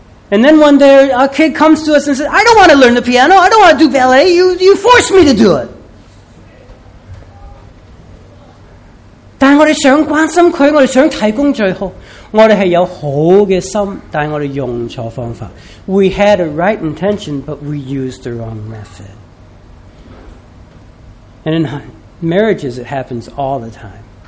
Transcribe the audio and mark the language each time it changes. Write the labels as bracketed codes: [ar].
[en] And then one day our kid comes to us and says, I don't want to learn the piano, I don't want to do ballet, you force me to do it. [zh] 但我们想关心他，我们想提供最好，我们是有好的心，但我们用错方法。 [en] We had a right intention, but we used the wrong method. And in marriages it happens all the time.